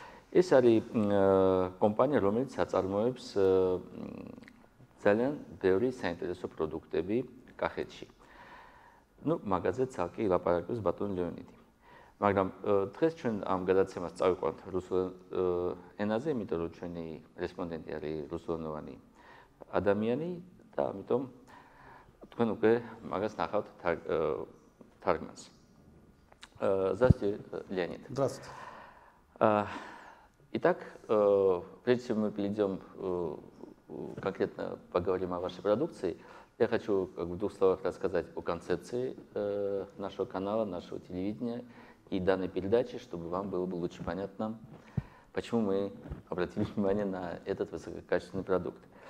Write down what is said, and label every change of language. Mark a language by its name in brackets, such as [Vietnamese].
[Georgian] ეს არის კომპანია, რომელიც აწარმოებს ძალიან ბევრი საინტერესო პროდუქტები კახეთში. [Russian] Ну, магазин [Georgian] ЦАКИ ლაპარაკებს ბატონი ლეონიდი. Магдам, დღეს ჩვენ ამ გადაცემას წავიყვანთ რუსულ ენაზე, იმიტომ რომ ჩვენი რესპონდენტი არის რუსულოვანი ადამიანი და ამიტომ თქვენ უკვე მაგას ნახავთ თარგმანს. [Russian] Здравствуйте, Леонид. Здравствуйте. Итак, прежде чем мы перейдем конкретно поговорим о вашей продукции, я хочу как бы в двух словах рассказать о концепции нашего канала, нашего телевидения и данной передачи, чтобы вам было бы лучше понятно, почему мы обратили внимание на этот высококачественный продукт.